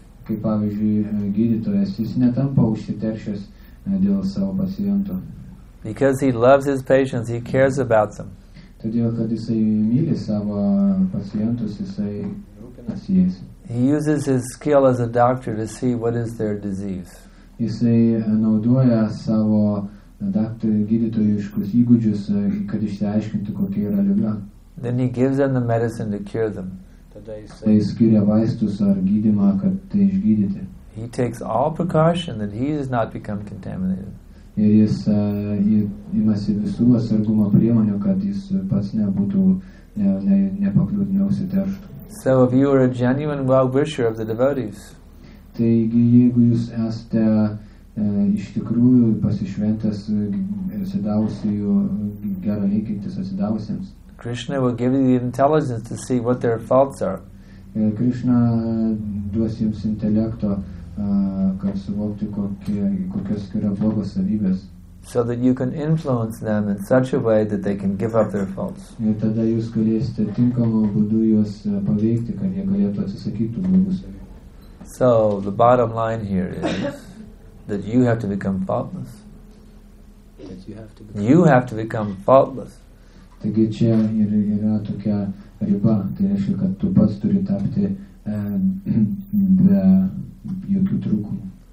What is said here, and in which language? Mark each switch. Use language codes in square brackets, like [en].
[lt] Kaip pavyzdžiui, gydytojas, jis netampa užsiteršęs dėl savo paciento. [en] Because he loves his patients, he cares about them. [lt] Todėl, kad jisai myli savo pacientus, jisai rūpinasi jais. [en] He uses his skill as a doctor to see what is their disease. [lt] Jisai naudoja savo gydytojiškus įgūdžius, kad išsiaiškinti, kokia yra liga. [en] Then he gives them the medicine to cure them. [lt] Tai skiria vaistus ar gydymą, kad tai išgydyti. [en] He takes all precaution that he does not become contaminated. [lt] Ir jis imasi visų atsargumo priemonių, kad jis pats nebūtų nepakliūtų, neužsiterštų. [en] So if you are a genuine well-wisher of the devotees, [lt] taigi jeigu jūs esate iš tikrųjų pasišventęs atsidavusiųjų gerą linkintis atsidavusiems, [en] Krishna will give you the intelligence to see what their faults are. [lt] Krishna duos jums intelekto, kad suvokti, kokios yra blogos savybės. [en] So that you can influence them in such a way that they can give up their faults. [lt] Ir tada jūs galėsite tinkamo būdu jos paveikti, kad jie galėtų atsisakyti blogų savybių. [en] So the bottom line here is that you have to become faultless. That you have to become. You have to become faultless. [lt] Taigi čia ir yra tokia riba, tai reiškia, kad tu pats turi tapti be jokių trūkumų.